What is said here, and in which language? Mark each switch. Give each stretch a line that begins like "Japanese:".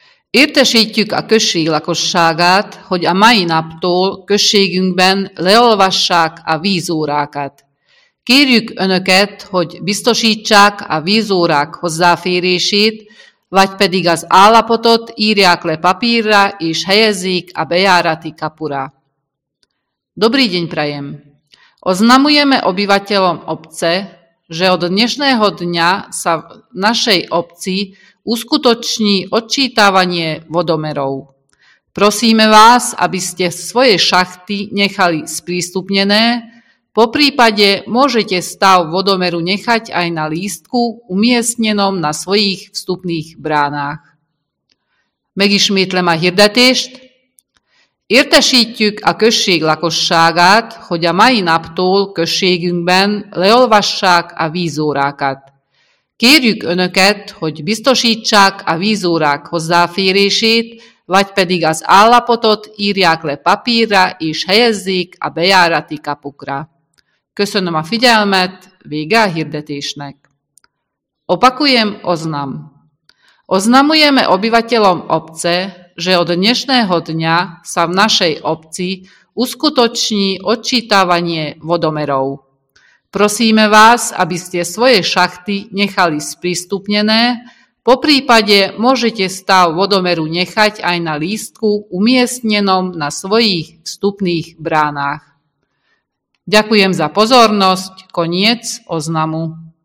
Hungarian: Értesítjük a község lakosságát, hogy a mai naptól községünkben leolvassák a vízórákat. Kérjük Önöket, hogy biztosítsák a vízórák hozzáférését, vagy pedig az állapotot írják le papírra és helyezzék a bejárati kapura.
Slovak: Dobrý deň prajem! Oznamujeme obyvateľom obce, že od dnešného dňa sa v našej obci uskutoční odčítavanie vodomerov. Prosíme vás, aby ste svoje šachty nechali sprístupnené, po prípade môžete stav vodomeru nechať aj na lístku umiestnenom na svojich vstupných bránách.
Hungarian: Megismétlem a hirdetést. Értesítjük a község lakosságát, hogy a mai naptól községünkben leolvassák a vízórákat. Kérjük Önöket, hogy biztosítsák a vízórák hozzáférését, vagy pedig az állapotot írják le papírra és helyezzék a bejárati kapukra. Köszönöm a figyelmet, vége a hirdetésnek.
Slovak: Opakujem oznam. Oznamujeme obyvateľom obce, že od dnešného dňa sa v našej obci uskutoční odčítavanie vodomerov. Prosíme vás, aby ste svoje šachty nechali sprístupnené, po prípade môžete stav vodomeru nechať aj na lístku umiestnenom na svojich vstupných bránach. Ďakujem za pozornosť. Koniec oznamu.